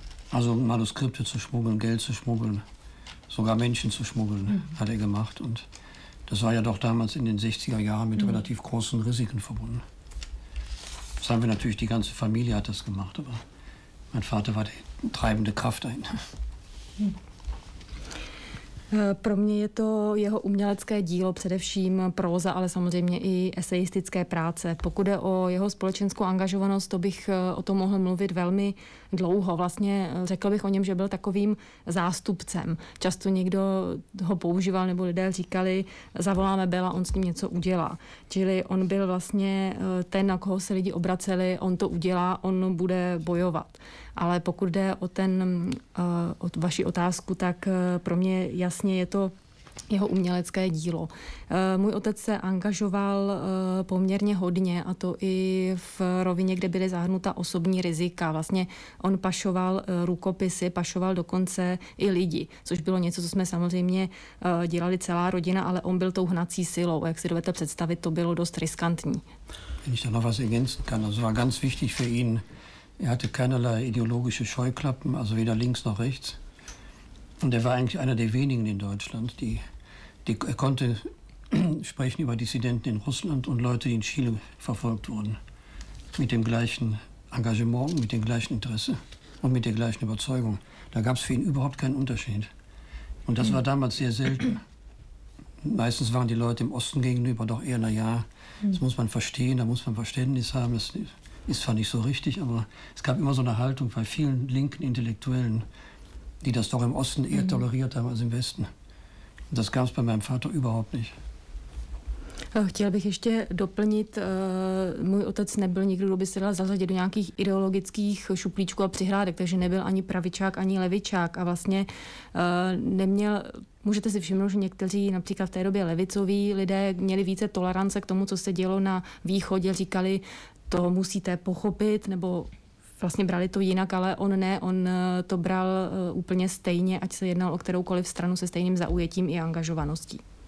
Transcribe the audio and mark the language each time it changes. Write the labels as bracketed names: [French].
[German] Also Manuskripte zu schmuggeln, Geld zu schmuggeln, sogar Menschen zu schmuggeln, hat er gemacht. Und das war ja doch damals in den 60er Jahren mit relativ großen Risiken verbunden. Das haben wir natürlich, die ganze Familie hat das gemacht, aber Mein Vater war die treibende Kraft dahin. [Czech] Pro mě je to jeho umělecké dílo, především próza, ale samozřejmě i esejistické práce. Pokud jde o jeho společenskou angažovanost, to bych o tom mohl mluvit velmi dlouho. Vlastně řekl bych o něm, že byl takovým zástupcem. Často někdo ho používal, nebo lidé říkali, zavoláme Bela, on s ním něco udělá. Čili on byl vlastně ten, na koho se lidi obraceli, on to udělá, on bude bojovat. Ale pokud jde o ten, o vaši otázku, tak pro mě jasně je to jeho umělecké dílo. Můj otec se angažoval poměrně hodně, a to i v rovině, kde byly zahrnuta osobní rizika. Vlastně on pašoval rukopisy, pašoval dokonce i lidi, což bylo něco, co jsme samozřejmě dělali celá rodina, ale on byl tou hnací silou. Jak si dovedete představit, to bylo dost riskantní. Když to nová [German] ergänzen kann, to war ganz wichtig für ihn. Er hatte keinerlei ideologische Scheuklappen, also weder links noch rechts. Und er war eigentlich einer der wenigen in Deutschland, er konnte sprechen über Dissidenten in Russland und Leute, die in Chile verfolgt wurden. Mit dem gleichen Engagement, mit dem gleichen Interesse und mit der gleichen Überzeugung. Da gab es für ihn überhaupt keinen Unterschied. Und das war damals sehr selten. Meistens waren die Leute im Osten gegenüber doch eher, na ja, das muss man verstehen, da muss man Verständnis haben. Das ist zwar nicht so richtig, aber es gab immer so eine Haltung bei vielen linken Intellektuellen, die das doch im Osten eher toleriert haben als im Westen. Das gab es bei meinem Vater überhaupt nicht. [Czech] Chtěl bych ještě doplnit, můj otec nebyl nikdo, kdo by se dal zařadit do nějakých ideologických šuplíčků a přihrádek, takže nebyl ani pravičák, ani levičák a vlastně neměl, můžete si všimnout, že někteří například v té době levicoví lidé měli více tolerance k tomu, co se dělo na východě, říkali, to musíte pochopit, nebo vlastně brali to jinak, ale on ne, on to bral úplně stejně, ať se jednal o kteroukoliv stranu se stejným zaujetím i angažovaností.